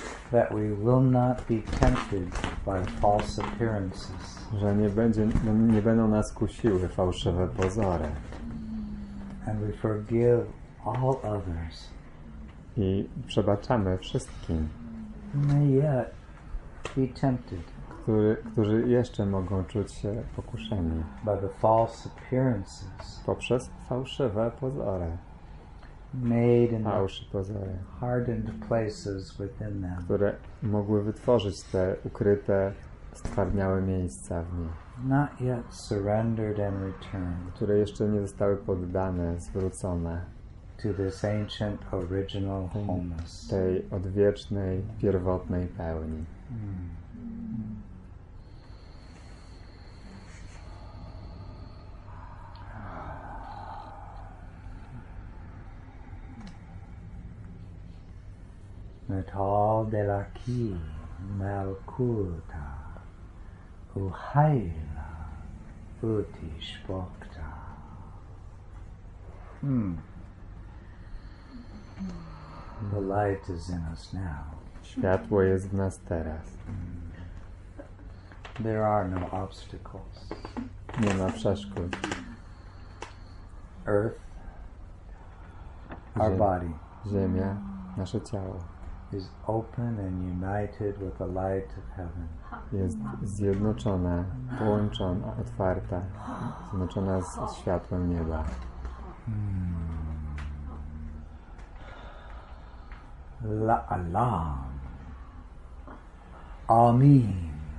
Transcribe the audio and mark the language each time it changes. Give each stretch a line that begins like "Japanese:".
English: That we will not be tempted by false appearances.
Polish: Że nie będą nas kusiły fałszywe pozory.
English: And we forgive all others.
Polish: I przebaczamy wszystkim.
English: Who may yet be tempted.
Polish: Którzy jeszcze mogą czuć się pokuszeni.
English: By the false appearances.
Polish: Poprzez fałszywe pozory.
English: Made in the hardened places within them.
Polish: Które mogły wytworzyć te ukryte, stwardniałe miejsca w nich.
English: Not yet surrendered and returned.
Polish: Które jeszcze nie zostały poddane, zwrócone.
English: To this ancient original wholeness.
Polish: Tej odwiecznej, pierwotnej pełni.
Aramaic: Metal de la ki malkuta uhaila utish bokta.
English: The light is in us now.
Polish: Światło jest w nas teraz.
English: There are no obstacles.
Polish: Nie ma przeszkód.
English: Earth, our body.
Polish: Ziemia, nasze ciało.
English: Is open and united with the light of heaven.
Polish: Jest zjednoczona, połączona, otwarta, zjednoczona z światłem nieba.
Aramaic: La alam. Amen.